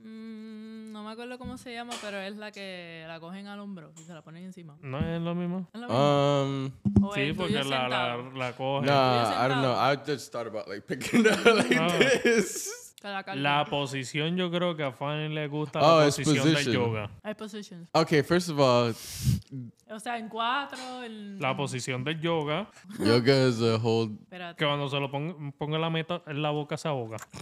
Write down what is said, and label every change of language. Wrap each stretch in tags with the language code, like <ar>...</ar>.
<es>No me acuerdo cómo se llama, pero es la que la cogen al hombro y se la ponen encima. No es lo mismo. Sí, porque la cogen.</es> <en>Nah, I don't know. I just thought about like picking up like this.</en> <es>La posición yo creo que a Fanny le gusta la posición de yoga. Hay posiciones.</es> <en>Okay, first of all.</en> <es>O sea, en cuatro. La posición del yoga.</es> <en>Yoga is a whole.</en> <es>Espérate. Que cuando se lo ponga la meta en la boca se ahoga.</es>